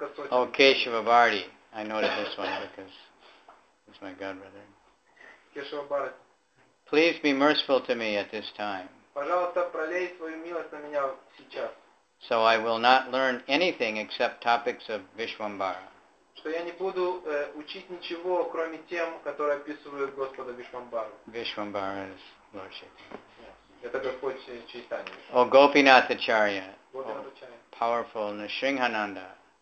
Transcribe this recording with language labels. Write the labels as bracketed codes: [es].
[en] Oh, Keshava Bharati. I noted this one because it's my godbrother. Keshava Bharati. Please be merciful to me at this time. [ru] Пожалуйста, пролей свою милость на меня сейчас. [en] So I will not learn anything except topics of Vishvambara. [ru] Что я не буду учить ничего, кроме тем, которые описывают Господа Вишвамбару. [en] Vishvambara is Lord Shaitan. [ru] Это Господь Чайтанья. О Гопинатхачарья. [en] Powerful Нисхингананда.